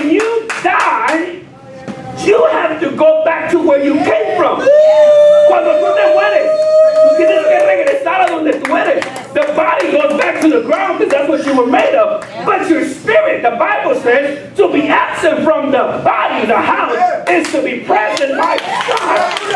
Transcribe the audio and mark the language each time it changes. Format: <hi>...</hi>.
<en>You have to go back to where you came from.</en> <es>Cuando tú te mueres, tú tienes que regresar a donde tú eres.</es> <en>The body goes back to the ground because that's what you were made of. But your spirit, the Bible says, to be absent from the body, the house, is to be present by God.</en>